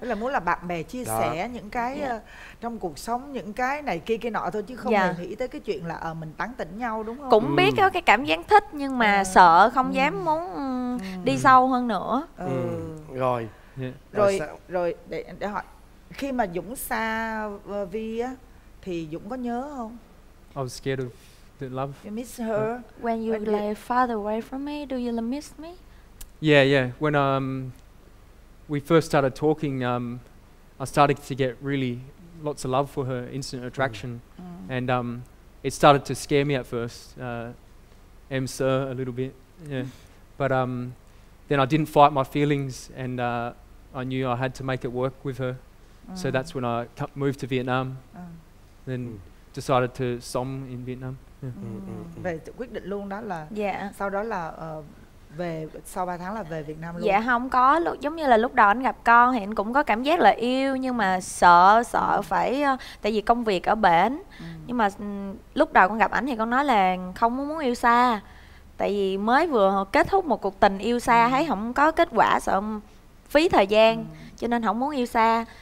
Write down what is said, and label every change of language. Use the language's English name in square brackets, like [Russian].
[Vietnamese] là muốn là bạn bè chia sẻ những cái trong cuộc sống, những cái này kia kia nọ thôi, chứ không hề nghĩ tới cái chuyện là mình tán tỉnh nhau đúng không? Cũng biết có cái cảm giác thích nhưng mà sợ không dám muốn đi sâu hơn nữa. Rồi. Rồi để hỏi, khi mà Dũng xa Vi á thì Dũng có nhớ không? [English] I was scared of the love. You miss her when you lay farther away from me, do you miss me? Yeah, when we first started talking, I started to get really lots of love for her, instant attraction. And it started to scare me at first, [Vietnamese] em sợ [English] a little bit, yeah. But then I didn't fight my feelings and I knew I had to make it work with her. So that's when I moved to Vietnam, then decided to sống in Vietnam. [Vietnamese] Về quyết định luôn đó là sau đó là về sau 3 tháng là về Việt Nam luôn. Dạ không có, giống như là lúc đầu anh gặp con thì anh cũng có cảm giác là yêu, nhưng mà sợ phải tại vì công việc ở bển. Nhưng mà lúc đầu con gặp ảnh thì con nói là không muốn yêu xa, tại vì mới vừa kết thúc một cuộc tình yêu xa, thấy không có kết quả, sợ phí thời gian, cho nên không muốn yêu xa.